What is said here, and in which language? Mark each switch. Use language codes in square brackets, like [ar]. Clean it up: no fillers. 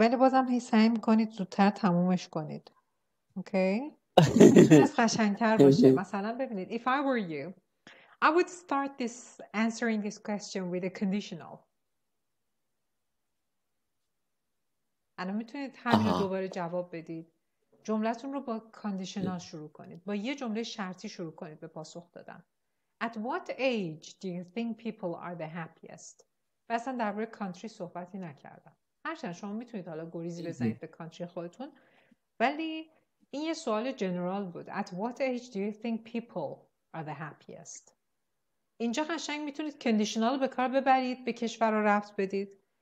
[fa] ولی بازم هی سعی میکنید زودتر تمومش کنید. [en] Okay? [fa] از قشنگتر باشه. مثلا ببینید. [en] If I were you, I would start this answering this question with a conditional. [fa] الان میتونید همین دوباره جواب بدید. جملتون رو با conditional شروع کنید. با یه جمله شرطی شروع کنید به پاسخ دادن. [en] At what age do you think people are the happiest? [fa] اصلا در برای کانتری صحبتی نکردم. هرچند شما میتونید حالا گریزی بزنید به کانتری خودتون. ولی این یه سوال جنرال بود. [en] At what age do you think people are the happiest. [fa] اینجا قشنگ میتونید کندیشنال رو به کار ببرید، به کشور رو ربط بدید.